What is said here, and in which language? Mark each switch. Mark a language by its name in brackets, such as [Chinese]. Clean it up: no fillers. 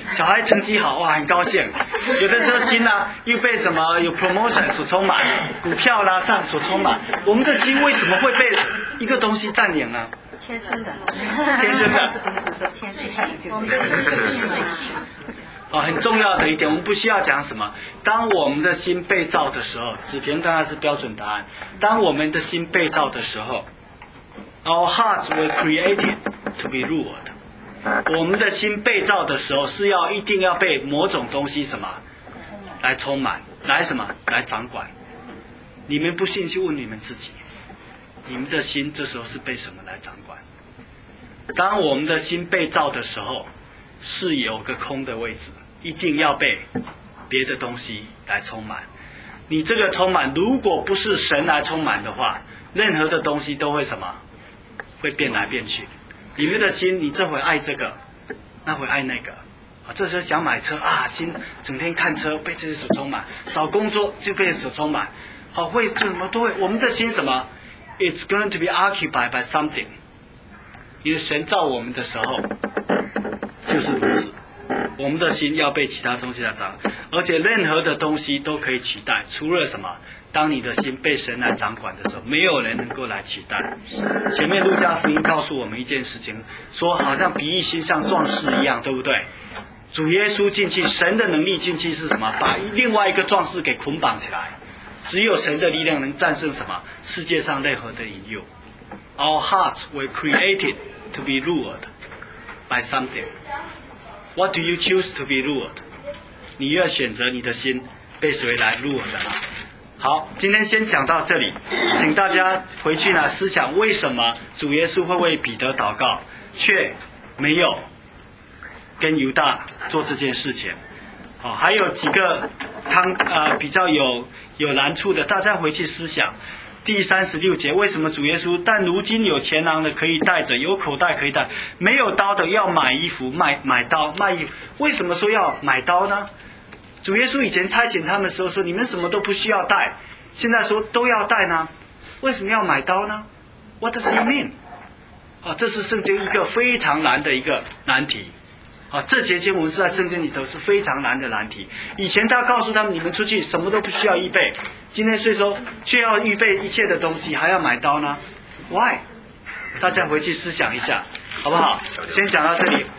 [Chinese] 小孩成绩好，哇，很高兴。有的时候心呢、啊，又被什么有 promotion 所充满，股票啦、啊、这样所充满。我们的心为什么会被一个东西占领呢？天天生的，天生的，不是主说天生的，就是啊、哦，很重要的一点，我们不需要讲什么。当我们的心被造的时候，子平刚才是标准答案。当我们的心被造的时候 ， [English] our hearts were created to be ruled。 [Chinese] 我们的心被造的时候，是要一定要被某种东西什么来充满，来什么来掌管。你们不信，去问你们自己，你们的心这时候是被什么来掌管？当我们的心被造的时候。是有个空的位置，一定要被别的东西来充满。你这个充满，如果不是神来充满的话，任何的东西都会什么？会变来变去。里面的心，你这会爱这个，那会爱那个。啊，这时候想买车啊，心整天看车，被这些所充满；找工作就被所充满。好、啊，会什么都会。我们的心什么 ？ [English] It's going to be occupied by something。 [Chinese] 因为神造我们的时候。就是如此，我们的心要被其他东西来掌管，而且任何的东西都可以取代，除了什么？当你的心被神来掌管的时候，没有人能够来取代。前面路加福音告诉我们一件事情，说好像比喻心像壮士一样，对不对？主耶稣进去，神的能力进去是什么？把另外一个壮士给捆绑起来。只有神的力量能战胜什么？世界上任何的引诱。 [English] Our hearts were created to be ruled. By something, what do you choose to be ruled? [Chinese] 你要选择你的心被谁来 ruled 的？好，今天先讲到这里，请大家回去呢思想为什么主耶稣会为彼得祷告，却没有跟犹大做这件事情。好，还有几个比较有难处的，大家回去思想。第三十六节，为什么主耶稣？但如今有钱囊的可以带着，有口袋可以带，没有刀的要买衣服，买刀卖衣服。为什么说要买刀呢？主耶稣以前差遣他们的时候说，你们什么都不需要带，现在说都要带呢？为什么要买刀呢 ？ [English] What does he mean？ [Chinese] 啊，这是圣经一个非常难的一个难题。啊，这节经文是在圣经里头是非常难的难题。以前他告诉他们，你们出去什么都不需要预备。今天虽说却要预备一切的东西，还要买刀呢 ？Why？大家回去思想一下，好不好？先讲到这里。